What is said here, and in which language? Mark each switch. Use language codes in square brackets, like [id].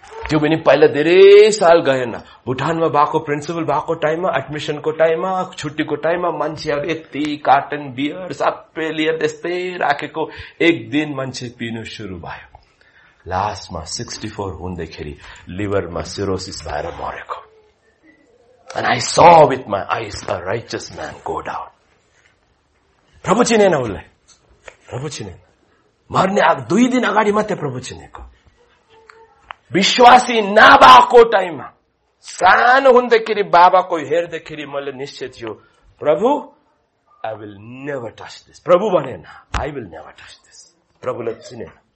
[ne] त्यो पनि पहिला धेरै साल गएन. भुटानमा भएको प्रिन्सिपल भएको टाइममा, एडमिसनको टाइममा, छुट्टीको टाइममा मान्छेहरू यति कार्टन बियर सबै लिएर त्यस्तै राखेको. एक दिन मान्छे पिनु सुरु भयो. लास्टमा 64 हुँदाखेरि लिभरमा सिरोसिस भएर मरेको. [en] And I saw with my eyes a righteous man go down. [ne] प्रभु चिनेन उसलाई, प्रभु चिनेन. मर्ने दुई दिन अगाडि मात्रै प्रभु चिनेको. विश्वासी नभएको टाइममा, सानो हुँदाखेरि बाबाको हेर्दाखेरि मैले निश्चय थियो, प्रभु [en] I will never touch this. [ne] प्रभु भनेन, [en] I will never touch this. [ne] प्रभुले चिनेन.